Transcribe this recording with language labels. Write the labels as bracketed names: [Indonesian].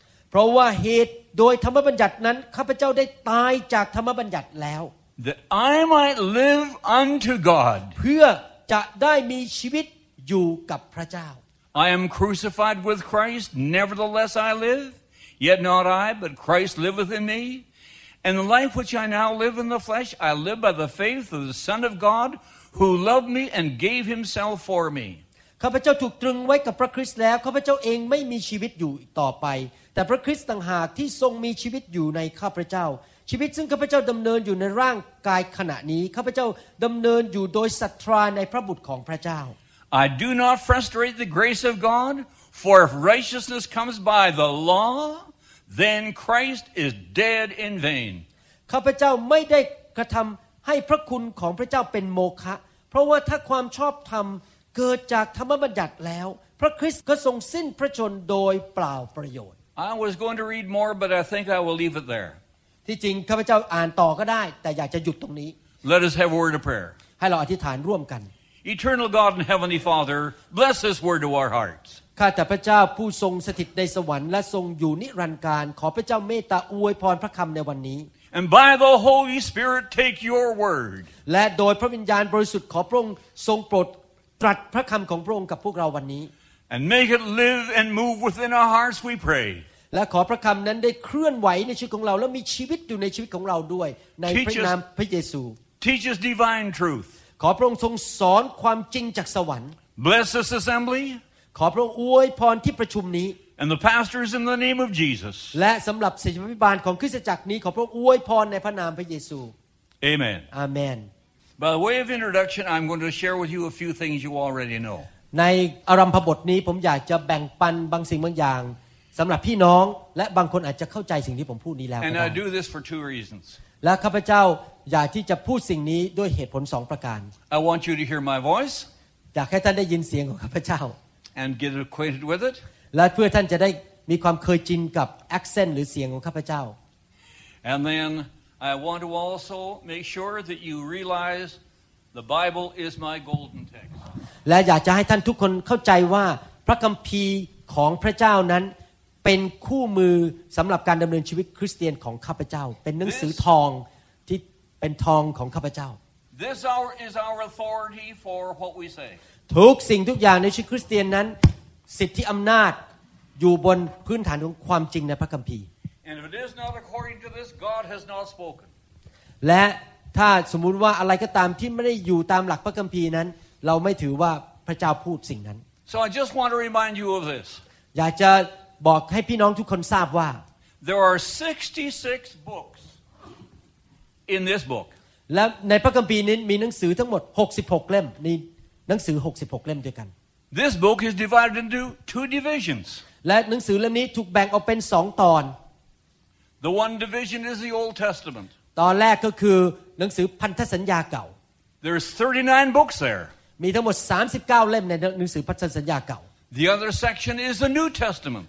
[Thai] เพราะว่าเหตุโดยธรรมบัญญัตินั้นข้าพเจ้าได้ตายจากธรรมบัญญัติแล้ว [English] That I might live unto God. [Thai] เพื่อจะได้มีชีวิตอยู่กับพระเจ้า [English] I am crucified with Christ. Nevertheless, I live. Yet not I, but Christ liveth in me. And the life which I now live in the flesh, I live by the faith of the Son of God, who loved me and gave Himself for me. [Thai] ข้าพเจ้าถูกตรึงไว้กับพระคริสต์แล้วข้าพเจ้าเองไม่มีชีวิตอยู่ต่อไปแต่พระคริสต์ต่างหากที่ทรงมีชีวิตอยู่ในข้าพระเจ้าชีวิตซึ่งข้าพเจ้าดำเนินอยู่ในร่างกายขณะนี้ข้าพเจ้าดำเนินอยู่โดยศรัทธาในพระบุตรของพระเจ้า [English] I do not frustrate the grace of God for if righteousness comes by the law then Christ is dead in vain [Thai] ข้าพเจ้าไม่ได้กระทำให้พระคุณของพระเจ้าเป็นโมฆะเพราะว่าถ้าความชอบธรรมเกิดจากธรรมบัญญัติแล้วพระคริสต์ก็ทรงสิ้นพระชนโดยเปล่าประโยชน์ [English] I was going to read more but I think I will leave it there [Thai] ที่จริงข้าพเจ้าอ่านต่อก็ได้แต่อยากจะหยุดตรงนี้ [English] Let us have a word of prayer [Thai] ให้เราอธิษฐานร่วมกัน [English] Eternal God and Heavenly Father bless this word to our hearts [Thai] ข้าแต่พระเจ้าผู้ทรงสถิตในสวรรค์และทรงอยู่นิรันดร์กาลขอพระเจ้าเมตตาอวยพรพระคำในวันนี้ [English] And by the Holy Spirit take your word [Thai] และโดยพระวิญญาณบริสุทธิ์ขอพระองค์ทรงโปรดตรัสพระคำของพระองค์กับพวกเราวันนี้ [English] And make it live and move within our hearts we pray [Thai] และขอพระคำนั้นได้เคลื่อนไหวในชีวิตของเราและมีชีวิตอยู่ในชีวิตของเราด้วยในพระนามพระเยซู [English] Teach us divine truth [Thai] ขอพระองค์ทรงสอนความจริงจากสวรรค์ [English] Bless this assembly [Thai] ขอพระองค์อวยพรที่ประชุมนี้ [English] And the pastors in the name of Jesus [Thai] และสำหรับศิษยาภิบาลของคริสตจักรนี้ขอพระองค์อวยพรในพระนามพระเยซู [English] Amen Amen By the way of introduction I'm going to share with you a few things you already know [Thai] ในอารัมภบทนี้ผมอยากจะแบ่งปันบางสิ่งบางอย่างสำหรับพี่น้องและบางคนอาจจะเข้าใจสิ่งที่ผมพูดนี้แล้วก็ได้ [English] And I do this for two reasons. [Thai] และข้าพเจ้าอยากที่จะพูดสิ่งนี้ด้วยเหตุผล2ประการ [English] I want you to hear my voice. [Thai] อยากให้ท่านได้ยินเสียงของข้าพเจ้า [English] And get acquainted with it. [Thai] และเพื่อท่านจะได้ มีความเคยชินกับแอคเซนต์หรือเสียงของข้าพเจ้า [English] And then I want to also make sure that you realize the Bible is my golden text [Thai] และอยากจะให้ท่านทุกคนเข้าใจว่าพระคัมภีร์ของพระเจ้านั้นเป็นคู่มือสำหรับการดำเนินชีวิตคริสเตียนของข้าพเจ้าเป็นหนังสือทองที่เป็นทองของข้าพเจ้า [English] This is our authority for what we say [Thai] ทุกสิ่งทุกอย่างในชีวิตคริสเตียนนั้นสิทธิอำนาจอยู่บนพื้นฐานของความจริงในพระคัมภีร์ [English] And if it is not according to this God has not spoken [Thai] และถ้าสมมุติว่าอะไรก็ตามที่ไม่ได้อยู่ตามหลักพระคัมภีร์นั้นเราไม่ถือว่าพระเจ้าพูดสิ่งนั้น [English] So I just want to remind you of this [Thai] อยากจะบอกให้พี่น้องทุกคนทราบว่า [English] There are 66 books in this book [Thai] และในพระคัมภีร์นี้มีหนังสือทั้งหมด66เล่มนี่หนังสือ66เล่มด้วยกัน [English] This book is divided into two divisions [Thai] และหนังสือเล่มนี้ถูกแบ่งออกเป็น2ตอน [English] The one division is the Old Testament [Thai] ตอนแรกก็คือหนังสือพันธสัญญาเก่า [English] There's 39 books there [Thai] มีทั้งหมด39เล่มในหนังสือพันธสัญญาเก่า [English] The other section is the New Testament.